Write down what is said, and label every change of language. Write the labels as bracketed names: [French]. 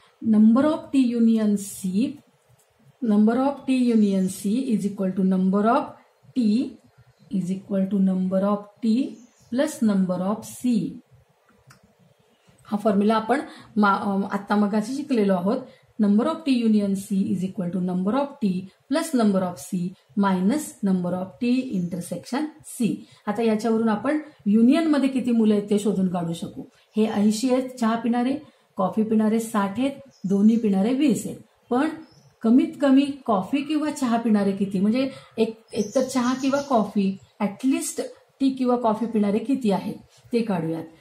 [English] Number of T union C, number of T union C is equal to number of T is equal to number of T plus number of C. [Marathi] हा formula आपण आत्ता मगाशी शिकलेलो आहोत. [English] Number of T union C is equal to number of T plus number of C minus number of T intersection C. [Marathi] आता याच्यावरून आपण union मध्ये किती मुलं आहेत ते शोधून काढू शकू. हे 80 आहेत चहा पिणारे, कॉफी पिणारे 60 आहेत, दोन्ही पिणारे 20 आहेत. पण कमीत कमी कॉफी किंवा चहा पिणारे किती, म्हणजे एकतर चहा किंवा कॉफी, ऍटलिस्ट टी किंवा कॉफी पिणारे किती आहेत ते काढूयात.